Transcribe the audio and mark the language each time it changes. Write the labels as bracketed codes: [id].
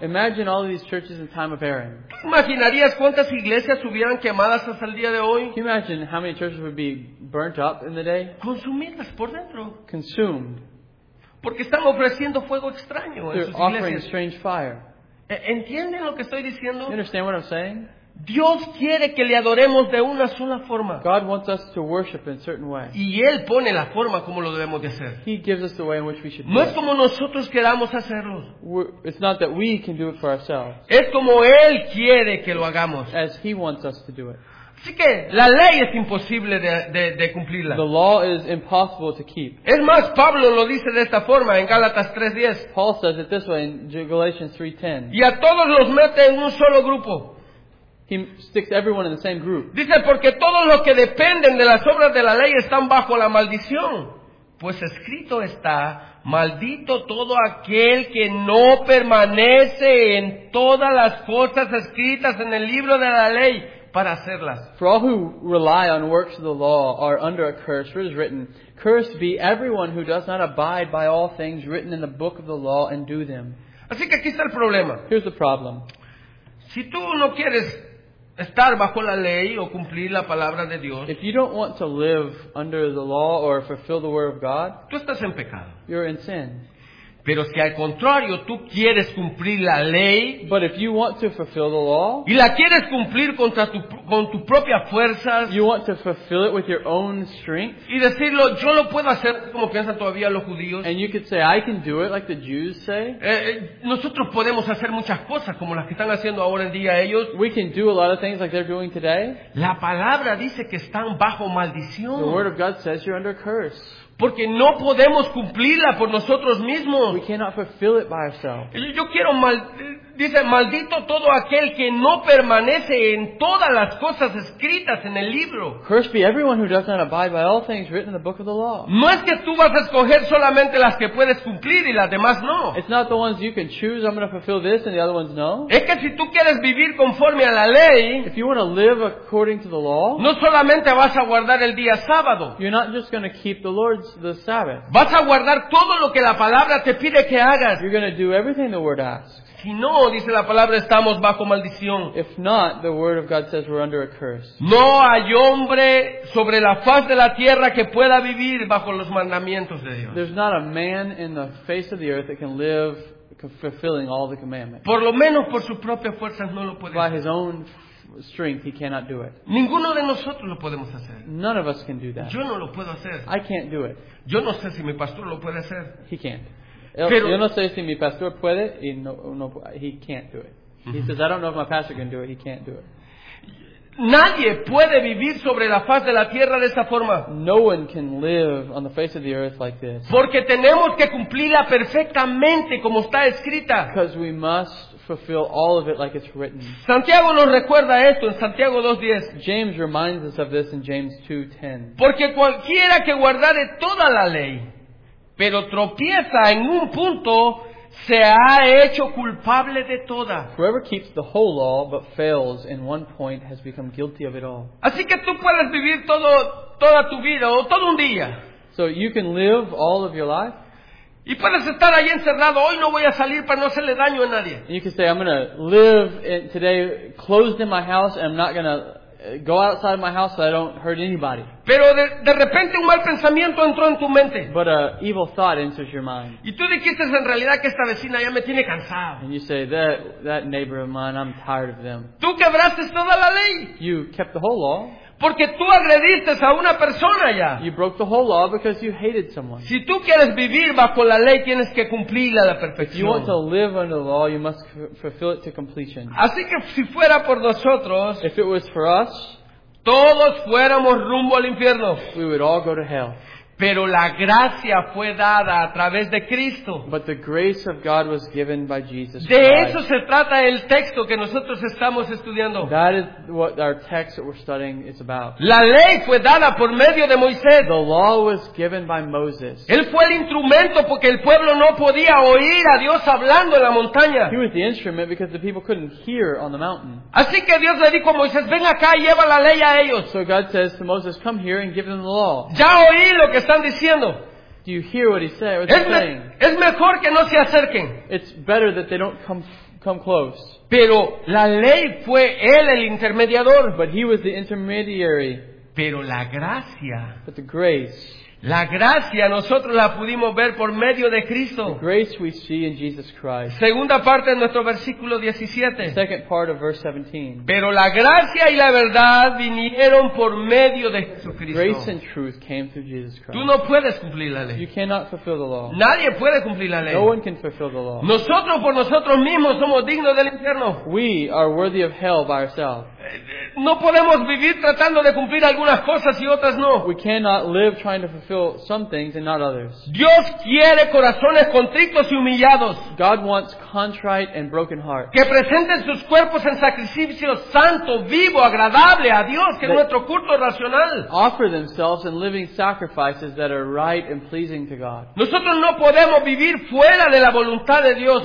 [en] Imagine all of these churches in the time of Aaron. [es] ¿Imaginarías cuántas iglesias hubieran quemadas hasta el día de hoy? [en] Can you imagine how many churches would be burnt up in the day? [es] Consumidas por dentro. [en] Consumed. [es] Porque están ofreciendo fuego extraño en sus iglesias. [en] They're offering strange fire. [es] ¿Entienden lo que estoy diciendo? [en] You understand what I'm saying? [es] Dios quiere que le adoremos de una sola forma. [en] God wants us to worship in a certain way. [es] Y Él pone la forma como lo debemos de hacer. [en] He gives us the way in which we should do it. [es] No es como nosotros queramos hacerlo. [en] It's not that we can do it for ourselves. [es] Es como Él quiere que lo hagamos. [en] As He wants us to do it. [es] Así que la ley es imposible de cumplirla. [en] The law is impossible to keep. [es] Es más, Pablo lo dice de esta forma en Gálatas 3:10. [en] Paul says it this way in Galatians 3:10. [es] Y a todos los mete en un solo grupo. [en] He sticks everyone in the same group. [es] Dice, porque todos los que dependen de las obras de la ley están bajo la maldición. Pues escrito está, maldito todo aquel que no permanece en todas las cosas escritas en el libro de la ley para hacerlas. [en] For all who rely on works of the law are under a curse, for it is written, cursed be everyone who does not abide by all things written in the book of the law and do them. [es] Así que aquí está el problema. [en] Here's the problem. [es] Si tú no quieres estar bajo la ley o cumplir la palabra de Dios, [en] if you don't want to live under the law or fulfill the word of God, [es] tú estás en pecado. [en] You're in sin. [es] Pero si al contrario tú quieres cumplir la ley, [en] but if you want to fulfill the law, [es] y la quieres cumplir con tu propia fuerzas, [en] you want to fulfill it with your own strength, [es] y decirlo yo lo puedo hacer como piensan todavía los judíos, [en] and you could say I can do it like the Jews say, [es] nosotros podemos hacer muchas cosas como las que están haciendo ahora en día ellos, [en] we can do a lot of things like they're doing today. [es] La palabra dice que están bajo maldición. [en] The word of God says you're under curse. [es] Porque no podemos cumplirla por nosotros mismos. [en] We cannot fulfill it by ourselves. [es] Yo quiero dice maldito todo aquel que no permanece en todas las cosas escritas en el libro. [en] Cursed be everyone who does not abide by all things written in the book of the law. [es] No es que tú vas a escoger solamente las que puedes cumplir y las demás no. [en] It's not the ones you can choose. I'm going to fulfill this and the other ones no. [es] Es que si tú quieres vivir conforme a la ley, [en] if you want to live according to the law, [es] no solamente vas a guardar el día sábado. [en] You're not just going to keep the Lord's the Sabbath. [es] Vas a guardar todo lo que la palabra te pide que hagas. [en] You're going to do everything the word asks. [es] Si no, dice la palabra, estamos bajo maldición. [en] If not, the word of God says we're under a curse. [es] No hay hombre sobre la faz de la tierra que pueda vivir bajo los mandamientos de Dios. [en] There's not a man in the face of the earth that can live fulfilling all the commandments. [es] Por lo menos por sus propias fuerzas no lo puede. [en] By his own strength, he cannot do it. [es] Ninguno de nosotros lo podemos hacer. [en] None of us can do that. [es] Yo no lo puedo hacer. [en] I can't do it. [es] Yo no sé si mi pastor lo puede hacer. [en] He can't. [es] Pero, yo no sé si mi pastor puede y no [en] he can't do it. He says I don't know if my pastor can do it. He can't do it. [es] Nadie puede vivir sobre la faz de la tierra de esa forma. [en] No one can live on the face of the earth like this. [es] Porque tenemos que cumplirla perfectamente como está escrita. [en] Because we must fulfill all of it like it's written. [es] Santiago nos recuerda esto en Santiago 2:10. [en] James reminds us of this in James 2:10. [es] Porque cualquiera que guardare toda la ley pero tropieza en un punto, se ha hecho culpable de toda. [en] Whoever keeps the whole law but fails in one point has become guilty of it all. [es] Así que tú puedes vivir toda tu vida o todo un día. [en] So you can live all of your life. [es] Y puedes estar ahí encerrado. Hoy no voy a salir para no hacerle daño a nadie. [en] And you can say, I'm going to live today closed in my house and I'm not going to go outside of my house so I don't hurt anybody. [es] Pero de repente un mal pensamiento entró en tu mente. [en] But a evil thought enters your mind. [es] Y tú dijiste en realidad que esta vecina ya me tiene cansado. [en] And you say that neighbor of mine, I'm tired of them. [es] Tú quebraste toda la ley. [en] You kept the whole law. [es] Porque tú agrediste a una persona ya. [en] You broke the whole law because you hated someone. [es] Si tú quieres vivir bajo la ley, tienes que cumplirla a la perfección. [en] If you want to live under the law, you must fulfill it to completion. [es] Así que si fuera por nosotros, [en] if it was for us, [es] todos fuéramos rumbo al infierno. [en] We would all go to hell. [es] Pero la gracia fue dada a través de Cristo. [en] But the grace of God was given by Jesus [es] Christ. De eso se trata el texto que nosotros estamos estudiando. [en] That is what our text that we're studying is about. [es] La ley fue dada por medio de Moisés. [en] The law was given by Moses. [es] Él fue el instrumento porque el pueblo no podía oír a Dios hablando en la montaña. [en] He was the instrument because the people couldn't hear on the mountain. [es] Así que Dios le dijo a Moisés, ven acá y lleva la ley a ellos. [en] So God says to Moses, come here and give them the law. [es] Ya oí lo que están diciendo. [en] Do you hear what he's saying? [es] Es mejor que no se acerquen. [en] It's better that they don't come close. [es] Pero la ley fue él el intermediador. [en] But he was the intermediary. [es] Pero la gracia. [en] But the grace. [es] La gracia nosotros la pudimos ver por medio de Cristo. [en] The grace we see in Jesus Christ. [es] Segunda parte de nuestro versículo 17. [en] The second part of verse 17. [es] Pero la gracia y la verdad vinieron por medio de Jesucristo. [en] Grace and truth came through Jesus Christ. [es] Tú no puedes cumplir la ley. [en] You cannot fulfill the law. [es] Nadie puede cumplir la ley. [en] No one can fulfill the law. [es] Nosotros por nosotros mismos somos dignos del infierno. [en] We are worthy of hell by ourselves. [es] No podemos vivir tratando de cumplir algunas cosas y otras no. [en] We cannot live trying to fulfill some things and not others. [es] Dios quiere corazones contritos y humillados. [en] God wants contrite and broken hearts. [es] Que presenten sus cuerpos en sacrificio santo, vivo, agradable a Dios, que es nuestro culto racional. [en] Offer themselves in living sacrifices that are right and pleasing to God. [es] Nosotros no podemos vivir fuera de la voluntad de Dios.